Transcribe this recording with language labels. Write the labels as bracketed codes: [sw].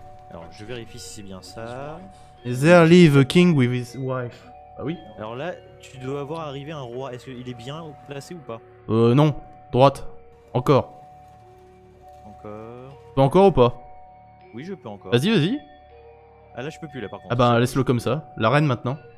[fr] Alors, je vérifie si c'est bien ça. [en] Is there live a king with his wife? [fr] Ah oui. Alors là, tu dois avoir arrivé un roi. Est-ce qu'il est bien placé ou pas? Non. Droite. Encore. Encore. Tu peux encore ou pas? Oui, je peux encore. Vas-y, vas-y. Ah là, je peux plus là par contre. Ah bah, laisse-le comme ça. La reine maintenant.